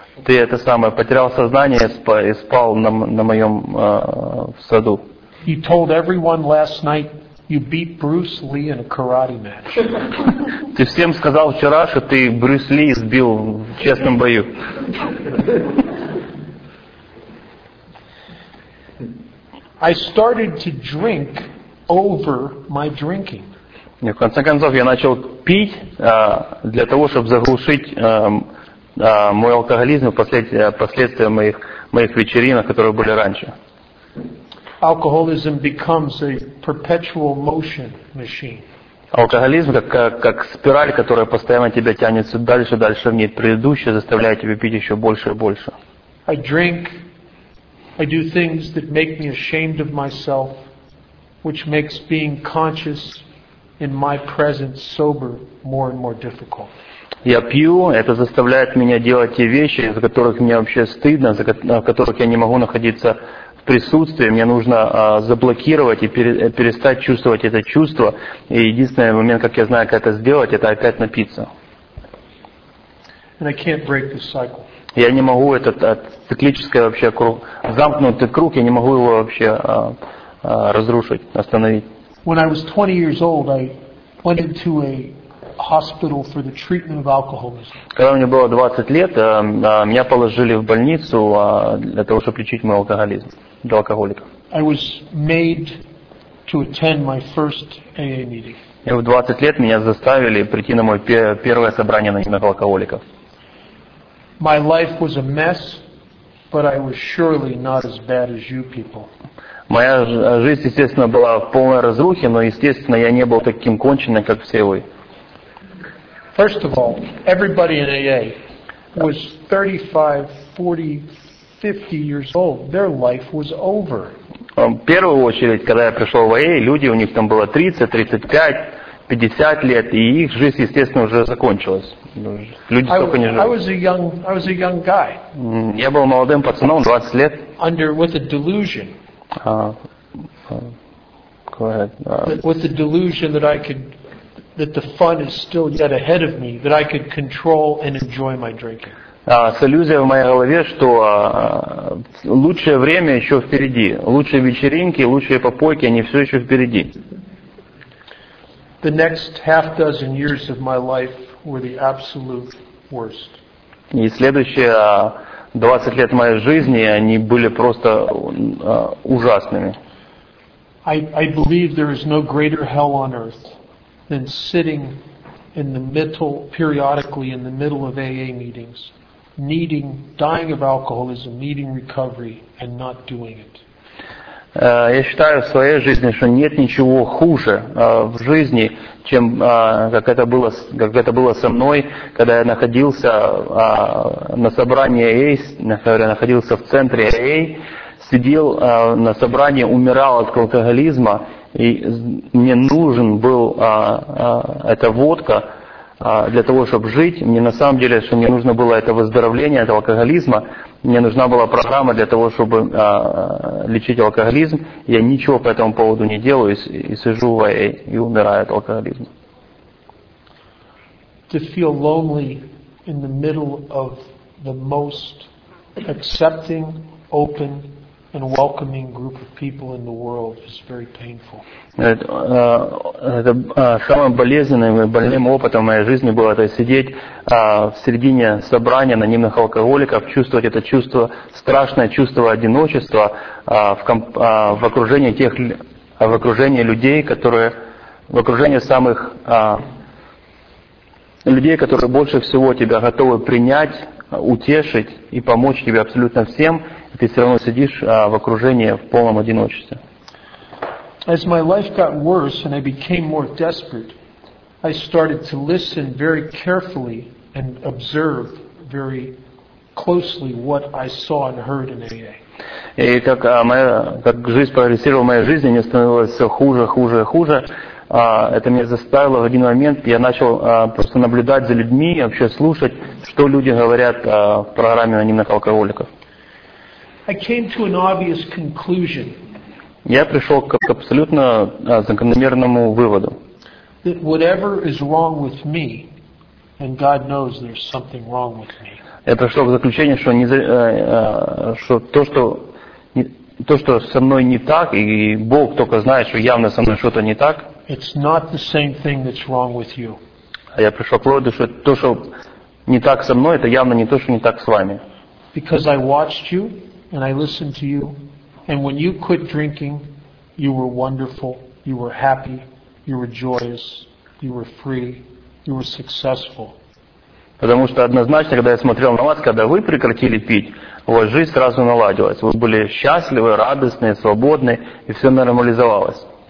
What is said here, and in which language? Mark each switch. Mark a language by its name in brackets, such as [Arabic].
[Russian] Ты это самое потерял сознание и спал на моем в саду. [English] You told everyone last night you beat Bruce Lee in a karate match. [Russian] Ты всем сказал вчера, что ты Брюс Ли сбил в честном бою. [English] I started to drink over my drinking. [Russian] В конце концов, я начал пить для того, чтобы заглушить мой алкоголизм и последствия моих вечеринок, которые были раньше. [English] Alcoholism becomes a perpetual motion machine. [Russian] Алкоголизм как спираль, которая постоянно тебя тянет все дальше, дальше в ней предыдущее, заставляет тебя пить еще больше и больше. [English] I drink. I do things that make me ashamed of myself, which makes being conscious in my presence sober more and more difficult. [Russian] Я пью, это заставляет меня делать те вещи, из-за которых мне вообще стыдно, за которых я не могу находиться в присутствии. Мне нужно заблокировать и перестать чувствовать это чувство. И единственный момент, как я знаю, как это сделать, это опять напиться. [English] And I can't break this cycle. [Russian] Я не могу этот циклический вообще круг, замкнутый круг, я не могу его вообще разрушить, остановить. [English] When I was 20 years old, I went into a hospital for the treatment of alcoholism. [Russian] Когда мне было 20 лет, меня положили в больницу для того, чтобы лечить мой алкоголизм, для алкоголика. [English] I was made to attend my first AA meeting. [Russian] И в 20 лет меня заставили прийти на мое первое собрание анонимных алкоголиков. [English] My life was a mess, but I was surely not as bad as you people. [Russian] Моя жизнь, естественно, была в полной разрухе, но, естественно, я не был таким конченным, как все вы. [English] First of all, everybody in AA was 35, 40, 50 years old. Their life was over. [Russian] В первую очередь, когда я пришел в AA, люди, у них там было 30, 35, 50 лет, и их жизнь, естественно, уже закончилась. Люди столько не жили. [English] I was a young guy. [Russian] Я был молодым пацаном, 20 лет. [English] With a delusion. With a delusion that I could, that the fun is still yet ahead of me, that I could control and enjoy my drinking. [Russian] С иллюзией в моей голове, что лучшее время еще впереди. Лучшие вечеринки, лучшие попойки, они все еще впереди. [English] The next half dozen years of my life were the absolute worst. [Russian] И следующие 20 лет моей жизни, они были просто ужасными. [English] I believe there is no greater hell on earth than sitting in the middle, periodically in the middle of AA meetings, needing, dying of alcoholism, needing recovery, and not doing it. [Russian] Я считаю в своей жизни, что нет ничего хуже в жизни, чем как это было со мной, когда я находился на собрании АА, когда я находился в центре АА, сидел на собрании, умирал от алкоголизма, и мне нужен был эта водка для того, чтобы жить. Мне на самом деле, что мне нужно было это выздоровление от алкоголизма. Мне нужна была программа для того, чтобы лечить алкоголизм. Я ничего по этому поводу не делаю и сижу в АА и умираю от алкоголизма. [English] To feel lonely in the middle of the most accepting, open and welcoming group of people in the world is very painful. [Russian] Это самым болезненным и больным опытом в моей жизни было это сидеть в середине собрания анонимных алкоголиков, чувствовать это чувство, страшное чувство одиночества в окружении людей, которые больше всего тебя готовы принять, утешить и помочь тебе абсолютно всем. Ты все равно сидишь в окружении в полном одиночестве. [English] As my life got worse and I became more desperate, I started to listen very carefully and observe very closely what I saw and heard in AA. [Russian] И как жизнь прогрессировала в моей жизни, мне становилось все хуже, хуже, хуже. это меня заставило в один момент, я начал просто наблюдать за людьми, вообще слушать, что люди говорят в программе анонимных алкоголиков. [English] I came to an obvious conclusion. [Russian] Я пришел к абсолютно закономерному выводу. [English] That whatever is wrong with me, and God knows there's something wrong with me. [Russian] Я пришел к заключению, что, не, что, то, что не, то, что со мной не так, и Бог только знает, что явно со мной что-то не так. [English] It's not the same thing that's wrong with you. [Russian] А я пришел к выводу, что то, что не так со мной, это явно не то, что не так с вами. [English] Because I watched you and I listened to you, and when you quit drinking, you were wonderful, you were happy, you were joyous, you were free, you were successful. [Russian] Потому что однозначно, когда я смотрел на вас, когда вы прекратили пить, у вас жизнь сразу наладилась. Вы были счастливы, радостны, свободны, и все нормализовалось.